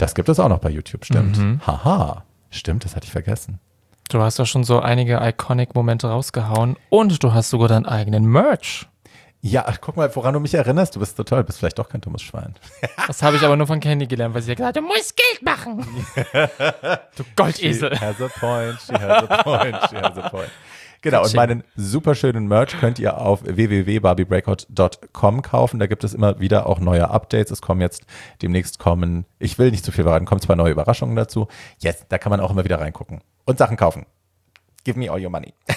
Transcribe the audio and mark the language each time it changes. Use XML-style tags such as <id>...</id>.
<de>Das gibt es auch noch bei YouTube, stimmt. Mhm. Haha, stimmt, das hatte ich vergessen. Du hast ja schon so einige Iconic-Momente rausgehauen und du hast sogar deinen eigenen Merch. Ja, guck mal, woran du mich erinnerst. Du bist so toll, bist vielleicht doch kein dummes Schwein. Das habe ich aber nur von Candy gelernt, weil sie ja gesagt hat, du musst Geld machen. Du Goldesel.</de> <en>She has a point, she has a point, she has a point.</en> <de>Genau, und meinen superschönen Merch könnt ihr auf www.barbiebreakout.com kaufen. Da gibt es immer wieder auch neue Updates. Es kommen jetzt demnächst kommen, ich will nicht zu viel verraten, kommen zwei neue Überraschungen dazu. Yes, da kann man auch immer wieder reingucken und Sachen kaufen.</de> <en>Give me all your money.</en>